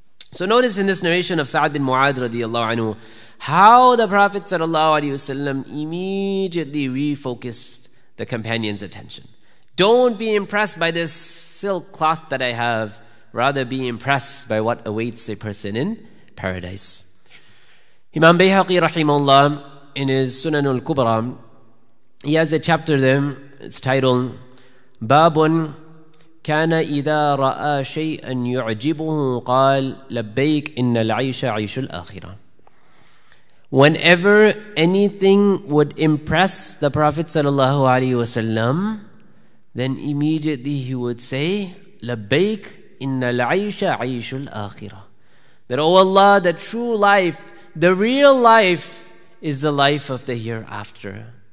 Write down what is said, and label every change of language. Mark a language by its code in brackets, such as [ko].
[en] So notice in this narration of Sa'd bin Mu'adh radiallahu anhu, how the Prophet ﷺ immediately refocused the companion's attention. Don't be impressed by this silk cloth that I have. Rather be impressed by what awaits a person in paradise. Imam Bayhaqi rahimahullah, in his Sunan al-Kubra, he has a chapter there. It's titled, [ar] Babun كَانَ إِذَا رَآ شَيْئًا يُعْجِبُهُ قَالَ لَبَّيْكَ إِنَّ الْعَيْشَ عَيْشُ الْآخِرَةِ. [en] Whenever anything would impress the Prophet sallallahu alaihi wasallam, then immediately he would say, [ar] لَبَّيْكَ إِنَّ الْعَيْشَ عَيْشُ الْآخِرَةِ. [en] That, O Allah, the true life, the real life, is the life of the hereafter.